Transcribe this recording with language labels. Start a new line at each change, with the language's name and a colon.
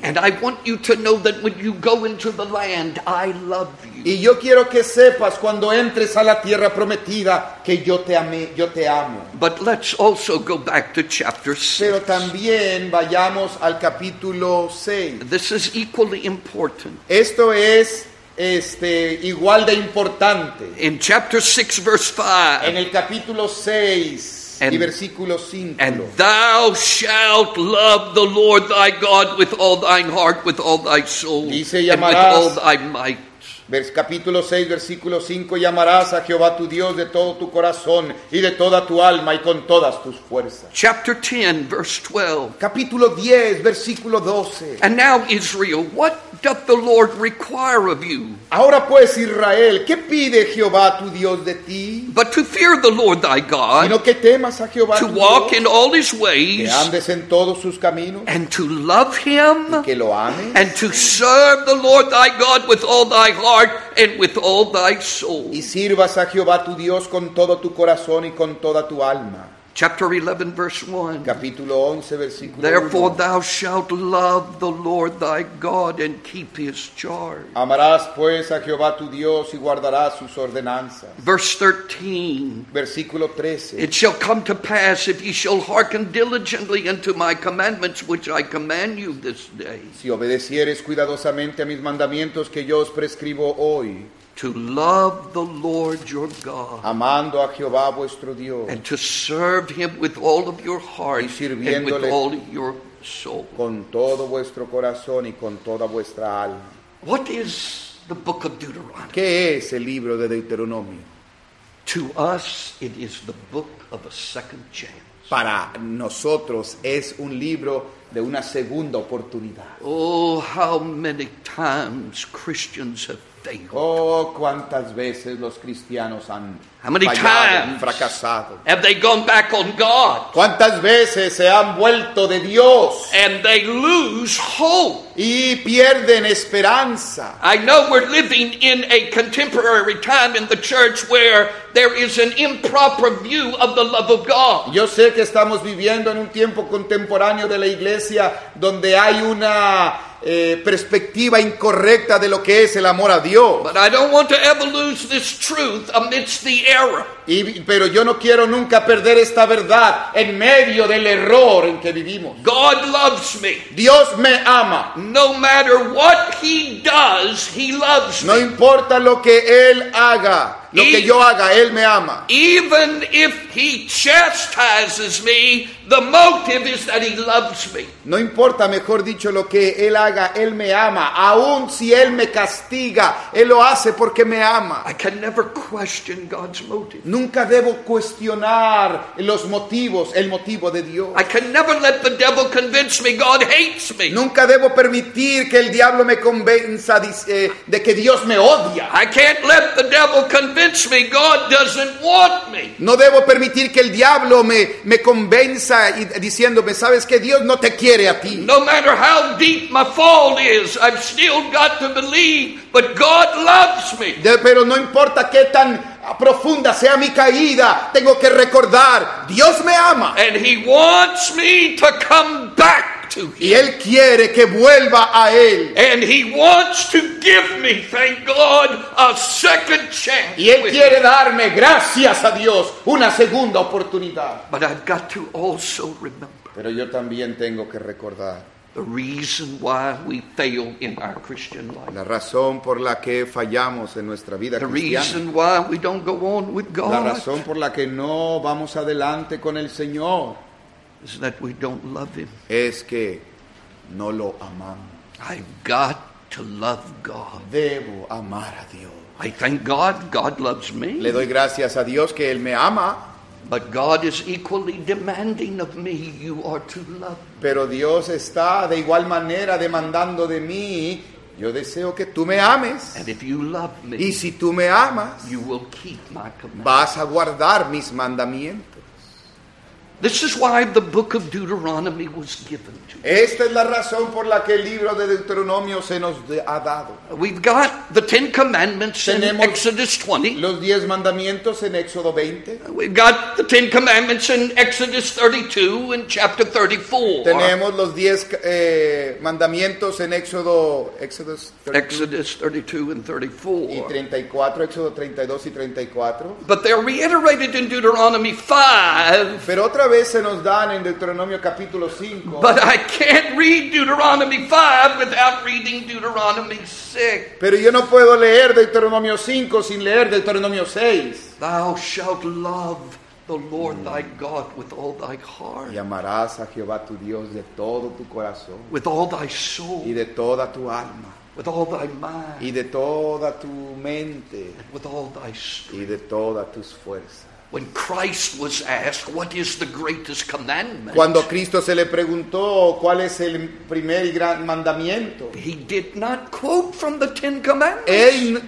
English: And I want you to know that when you go into the land, I love you.
Spanish: Y yo quiero que sepas cuando entres a la tierra prometida que yo te amé, yo te amo.
English: But let's also go back to chapter 6.
Spanish: Pero también vayamos al capítulo 6.
English: This is equally important.
Spanish: Esto es igual de importante.
English: In chapter 6 verse 5.
Spanish: En el capítulo 6.
English: And, and thou shalt love the Lord thy God with all thine heart, with all thy soul,
Spanish: dice,
English: and with all thy might.
Spanish: Capítulo 6, versículo 5, llamarás a Jehová tu Dios de todo tu corazón y de toda tu alma y con todas tus fuerzas.
English: Chapter 10, verse 12.
Spanish: Capítulo 10, versículo 12.
English: And now Israel, what doth the Lord require of you?
Spanish: Ahora pues Israel, ¿qué pide Jehová tu Dios de ti?
English: But to fear the Lord thy God.
Spanish: Sino que temas a Jehová tu Dios.
English: To walk in all his ways.
Spanish: Que andes en todos sus caminos.
English: And to love him.
Spanish: Y que lo ames.
English: And to serve the Lord thy God with all thy heart. And with all thy soul.
Spanish: Y sirvas a Jehová tu Dios con todo tu corazón y con toda tu alma.
English: Chapter 11, verse 1.
Spanish: Capítulo 11, versículo
English: therefore
Spanish: 1.
English: Thou shalt love the Lord thy God and keep his charge.
Spanish: Amarás pues a Jehová tu Dios y guardarás sus ordenanzas.
English: Verse 13.
Spanish: Versículo 13.
English: It shall come to pass if ye shall hearken diligently unto my commandments which I command you this day.
Spanish: Si obedecieres cuidadosamente a mis mandamientos que yo os prescribo hoy.
English: To love the Lord your God.
Spanish: Amando a Jehová vuestro Dios.
English: And to serve him with all of your heart.
Spanish: Y sirviéndole
English: and with all your soul.
Spanish: Con todo vuestro corazón y con toda vuestra alma.
English: What is the book of Deuteronomy?
Spanish: ¿Qué es el libro de Deuteronomio?
English: To us, it is the book of a second chance.
Spanish: Para nosotros es un libro de una segunda oportunidad.
English: Oh, how many times Christians have failed.
Spanish: Oh, cuántas veces los cristianos han fracasado.
English: Have they gone back on God?
Spanish: ¿Cuántas veces se han vuelto de Dios?
English: And they lose hope.
Spanish: Y pierden esperanza.
English: I know we're living in a contemporary time in the church where there is an improper view of the love of God.
Spanish: Yo sé que estamos viviendo en un tiempo contemporáneo de la iglesia donde hay una perspectiva incorrecta de lo que es el amor a Dios.
English: But I don't want to ever lose this truth amidst the error.
Spanish: Pero yo no quiero nunca perder esta verdad en medio del error en que vivimos.
English: God loves me.
Spanish: Dios me ama.
English: No matter what he does, he loves me.
Spanish: No importa lo que él haga, lo que yo haga, él me ama.
English: Even if he chastises me, the motive is that he loves me.
Spanish: No importa, mejor dicho, lo que él haga, él me ama. Aún si él me castiga, él lo hace porque me ama.
English: I can never question God's motive.
Spanish: Nunca debo cuestionar los motivos, el motivo de Dios.
English: I can never let the devil convince me God hates me.
Spanish: Nunca debo permitir que el diablo me convenza de que Dios me odia.
English: I can't let the devil convince me God doesn't want me.
Spanish: No debo permitir que el diablo me convenza diciéndome, ¿sabes qué? Dios no te quiere a ti.
English: No matter how deep my fault is, I've still got to believe but God loves me.
Spanish: Pero no importa qué tan profunda sea mi caída, tengo que recordar, Dios me ama.
English: And he wants me to come back to him.
Spanish: Y él quiere que vuelva a él.
English: And he wants to give me, thank God, a second chance.
Spanish: Y él quiere darme, gracias a Dios, una segunda oportunidad.
English: But I've got to also remember.
Spanish: Pero yo también tengo que recordar
English: the reason why we fail in our Christian life.
Spanish: La razón por la que fallamos en nuestra vida
English: the
Spanish: cristiana.
English: The reason why we don't go on with God.
Spanish: La razón por la que no vamos adelante con el Señor
English: is that we don't love him.
Spanish: Es que no lo amamos.
English: I've got to love God.
Spanish: Debo amar a Dios.
English: I thank God, God loves me.
Spanish: Le doy gracias a Dios que él me ama.
English: But God is equally demanding of me, you are to love.
Spanish: Pero Dios está de igual manera demandando de mí, yo deseo que tú me ames.
English: And if you love me,
Spanish: y si tú me amas,
English: you will keep my commandments.
Spanish: Vas a guardar mis mandamientos.
English: This is why the book of Deuteronomy was given to us.
Spanish: Esta es la razón por la que el libro de Deuteronomio se nos ha dado.
English: We've got the Ten Commandments
Spanish: Tenemos
English: in Exodus 20.
Spanish: Los diez mandamientos en Éxodo 20.
English: We've got the Ten Commandments in Exodus 32 and chapter 34.
Spanish: Tenemos los diez mandamientos en Éxodo 32.
English: Exodus 32 and 34.
Spanish: Y 34, Éxodo 32 y 34.
English: But they're reiterated in Deuteronomy 5.
Spanish: Pero otra vez se nos dan en Deuteronomio capítulo 5.
English: But I can't read Deuteronomy 5 without reading Deuteronomy 6.
Spanish: Pero yo no puedo leer Deuteronomio 5 sin leer Deuteronomio 6.
English: Thou shalt love the Lord thy God with all thy heart.
Spanish: Y amarás a Jehová tu Dios de todo tu corazón.
English: With all thy soul.
Spanish: Y de toda tu alma.
English: With all thy mind.
Spanish: Y de toda tu mente.
English: And with all thy strength.
Spanish: Y de todas tus fuerzas.
English: When Christ was asked, "What is the greatest commandment?"
Spanish: Cuando Cristo se le preguntó cuál es el primer y gran mandamiento,
English: he did not quote from the Ten Commandments.